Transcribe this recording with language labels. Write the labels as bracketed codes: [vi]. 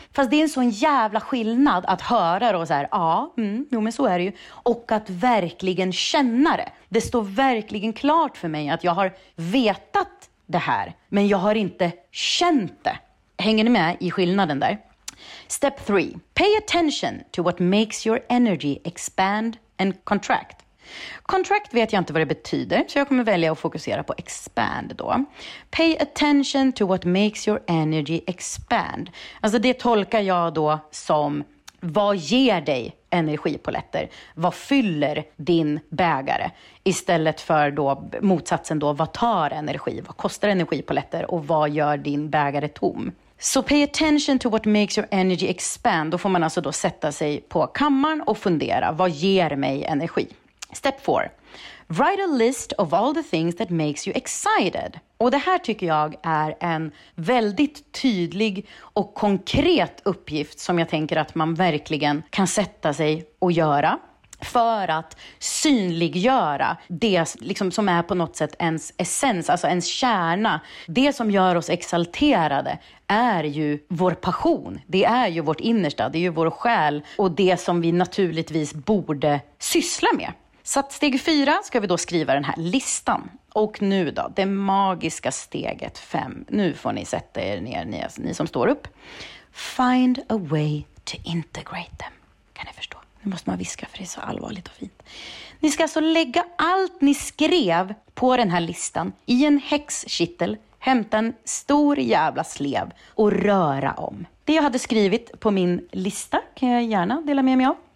[sv] Fast det är en sån jävla skillnad att höra då så här, men så är det ju. Och att verkligen känna det. Det står verkligen klart för mig att jag har vetat det här. Men jag har inte känt det. Hänger ni med i skillnaden där? [en] Step 3. Pay attention to what makes your energy expand and contract. [sv] Contract vet jag inte vad det betyder, så jag kommer välja att fokusera på expand då. [en] Pay attention to what makes your energy expand. [sv] Alltså det tolkar jag då som, vad ger dig energipoletter? Vad fyller din bägare? Istället för då motsatsen då, vad tar energi? Vad kostar energipoletter? Och vad gör din bägare tom? [en] Så pay attention to what makes your energy expand. [sv] Då får man alltså då sätta sig på kammaren och fundera, vad ger mig energi? [en] Step 4. Write a list of all the things that makes you excited. [sv] Och det här tycker jag är en väldigt tydlig och konkret uppgift som jag tänker att man verkligen kan sätta sig och göra. för att synliggöra det liksom som är på något sätt ens essens, alltså ens kärna. Det som gör oss exalterade är ju vår passion. Det är ju vårt innersta, det är ju vår själ och det som vi naturligtvis borde syssla med. Så att steg 4 ska vi då skriva den här listan. Och nu då, det magiska steget 5. Nu får ni sätta er ner, ni som står upp. [en] Find a way to integrate them. [sv] Kan ni förstå? Nu måste man viska för det är så allvarligt och fint. Ni ska alltså lägga allt ni skrev på den här listan i en häxkittel. Hämta en stor jävla slev och röra om. Det jag hade skrivit på min lista kan jag gärna dela med mig av.